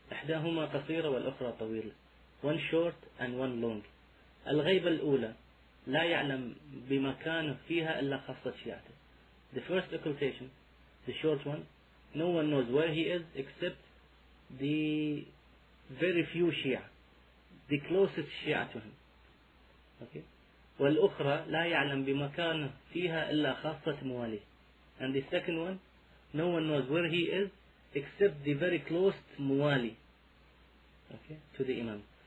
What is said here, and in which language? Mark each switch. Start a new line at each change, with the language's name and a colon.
Arabic: إحداهما قصيرة والأخرى طويلة.
English: One short and one long.
Arabic: الغيبة الأولى لا يعلم بمكانه فيها إلا خاصة شيعته.
English: The first occultation, the short one, no one knows where he is except the very few Shia, the closest Shia to him. Okay.
Arabic: والأخرى لا يعلم بمكانه فيها إلا خاصة مواليه.
English: And the second one, no one knows where he is except the very closest موالي. Okay. To the Imam.